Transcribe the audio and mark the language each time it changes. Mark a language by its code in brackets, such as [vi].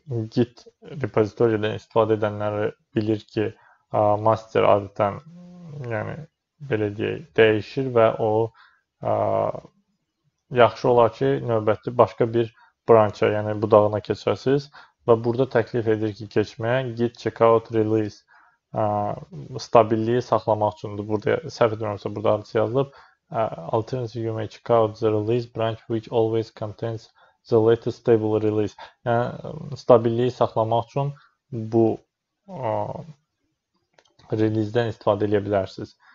[az] Git repozitoriyadan istifadə edənləri bilir ki master adətən yəni belə deyək dəyişir və o yaxşı olar ki növbəti başqa bir branşa yəni budağına keçərsiniz. Və burada təklif edir ki keçməyə git checkout release stabilliyi saxlamaq üçündür. Burada səhv etmirəmsə burada adı yazılıb. [en] Alternative you may check out the release branch which always contains the latest stable release. [az] Yəni stabilliyi saxlamaq üçün bu release-dən istifadə edə bilərsiniz.